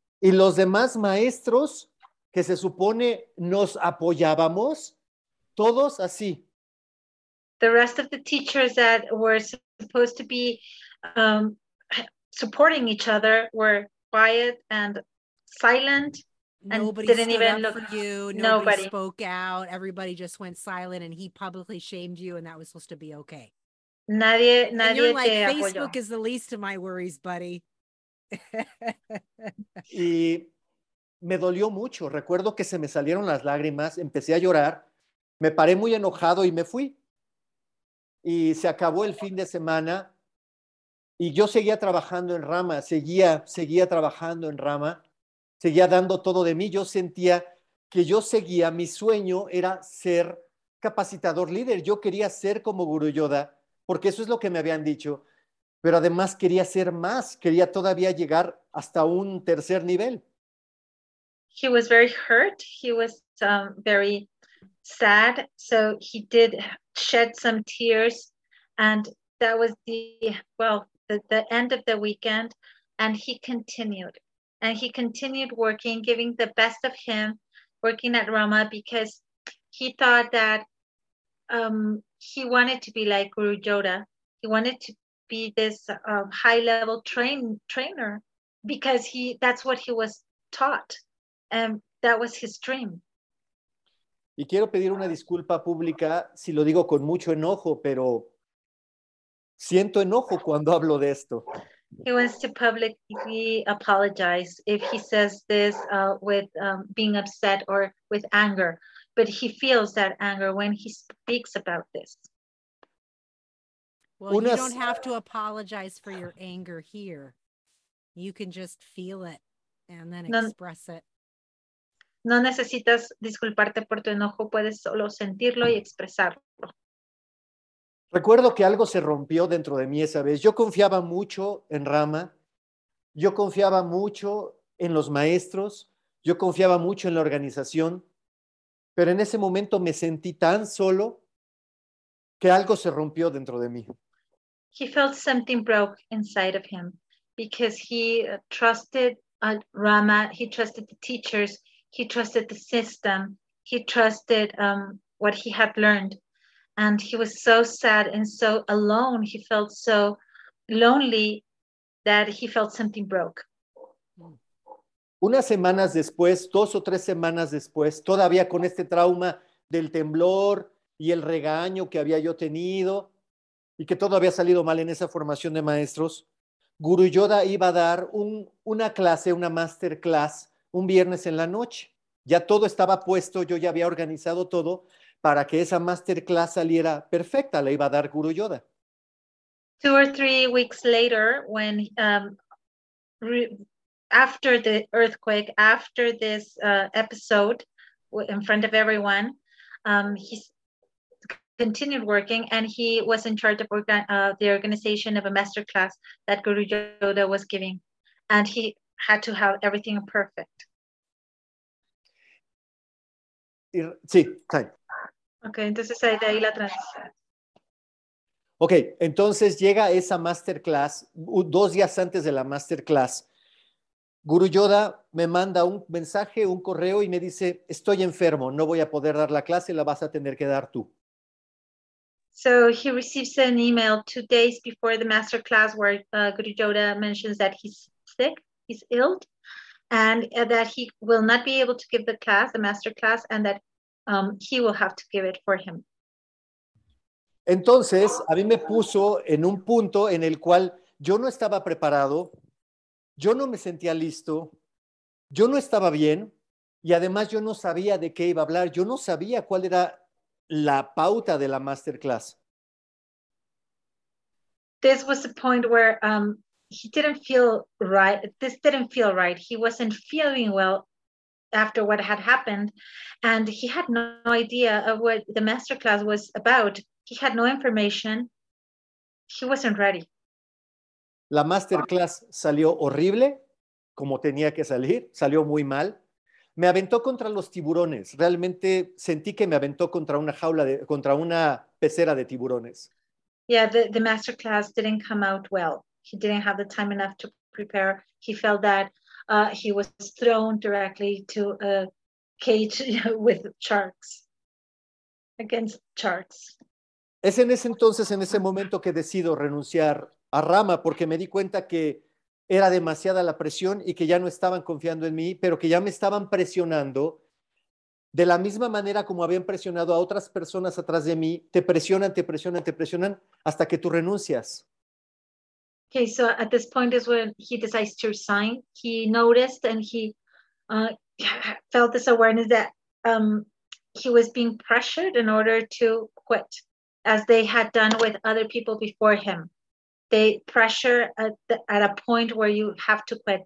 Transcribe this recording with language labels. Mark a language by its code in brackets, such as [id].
[es] Y los demás maestros que se supone nos apoyábamos, todos así. [en] The rest of the teachers that were supposed to be supporting each other were quiet and silent. And nobody didn't stood even up look for you. Nobody spoke out. Everybody just went silent and he publicly shamed you and that was supposed to be okay. [es] Nadie [en] and you're [es] te [en] like, Facebook [es] apoyó. [en] Is the least of my worries, buddy. [es] Y me dolió mucho. Recuerdo que se me salieron las lágrimas, empecé a llorar, me paré muy enojado y me fui. Y se acabó el fin de semana y yo seguía trabajando en Rama, seguía trabajando en Rama, seguía dando todo de mí. Yo sentía que yo seguía, mi sueño era ser capacitador líder. Yo quería ser como Guru Jodha, porque eso es lo que me habían dicho, pero además quería ser más, quería todavía llegar hasta un tercer nivel. [en] He was very hurt, he was very sad, so he did shed some tears, and that was the end of the weekend, and he continued working, giving the best of him, working at Rama, because he thought that he wanted to be like Guru Jodha. He wanted to be this high-level trainer because that's what he was taught. And that was his dream. [es] Y quiero pedir una disculpa pública si lo digo con mucho enojo, pero siento enojo cuando hablo de esto. [en] He wants to publicly apologize if he says this with being upset or with anger. But he feels that anger when he speaks about this. Well, you don't have to apologize for your anger here. You can just feel it and then express it. [es] No necesitas disculparte por tu enojo, puedes solo sentirlo y expresarlo. Recuerdo que algo se rompió dentro de mí esa vez. Yo confiaba mucho en Rama. Yo confiaba mucho en los maestros. Yo confiaba mucho en la organización. Pero en ese momento me sentí tan solo que algo se rompió dentro de mí. [en] He felt something broke inside of him because he trusted Rama, he trusted the teachers, he trusted the system, he trusted what he had learned. And he was so sad and so alone, he felt so lonely that he felt something broke. [es] Unas semanas después, dos o tres semanas después, todavía con este trauma del temblor y el regaño que había yo tenido y que todo había salido mal en esa formación de maestros, Guru Jodha iba a dar una clase, una masterclass, un viernes en la noche. Ya todo estaba puesto, yo ya había organizado todo para que esa masterclass saliera perfecta, la iba a dar Guru Yoda. [en] Two or three weeks later, when after the earthquake, after this episode in front of everyone, he continued working and he was in charge of the organization of a masterclass that Guru Yoda was giving. And he had to have everything perfect. [es] Sí, time. Okay, entonces ahí de ahí la transición. Okay, entonces llega esa masterclass, dos días antes de la masterclass, Guru Yoda me manda un mensaje, un correo y me dice, estoy enfermo, no voy a poder dar la clase, la vas a tener que dar tú. [en] So he receives an email 2 days before the masterclass where Guru Yoda mentions that he's sick, he's ill, and that he will not be able to give the class, the masterclass, and that he will have to give it for him. [es] Entonces, a mí me puso en un punto en el cual yo no estaba preparado, yo no me sentía listo, yo no estaba bien, y además yo no sabía de qué iba a hablar, yo no sabía cuál era la pauta de la masterclass. [en] This was the point where he didn't feel right. This didn't feel right. He wasn't feeling well after what had happened. And he had no idea of what the masterclass was about. He had no information. He wasn't ready. [es] La masterclass salió horrible, como tenía que salir. Salió muy mal. Me aventó contra los tiburones. Realmente sentí que me aventó contra una jaula, contra una pecera de tiburones. [en] Yeah, the masterclass didn't come out well. He didn't have the time enough to prepare. He felt that he was thrown directly to a cage with sharks, against sharks. [es] Es en ese entonces, en ese momento que decido renunciar a Rama porque me di cuenta que era demasiada la presión y que ya no estaban confiando en mí, pero que ya me estaban presionando de la misma manera como habían presionado a otras personas atrás de mí. Te presionan, te presionan, te presionan hasta que tú renuncias. [en] Okay, so at this point is when he decides to resign. He noticed and he felt this awareness that he was being pressured in order to quit, as they had done with other people before him. They pressure at a point where you have to quit.